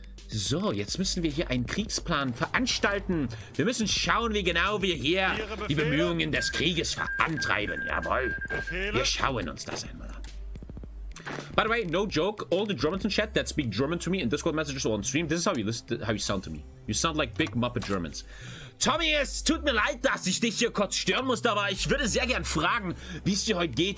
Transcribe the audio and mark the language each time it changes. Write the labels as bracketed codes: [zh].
[de] So, jetzt müssen wir hier einen Kriegsplan veranstalten. Wir müssen schauen, wie genau wir hier die Bemühungen des Krieges vorantreiben, jawohl. Wir schauen uns das einmal. [en] By the way, no joke, all the Germans in chat that speak German to me in Discord messages or on stream, this is how you listen, how you sound to me. You sound like big Muppet Germans. [de] Tommy, es tut mir leid, dass ich dich hier kurz stören musste, aber ich würde sehr gern fragen, wie es dir heute geht.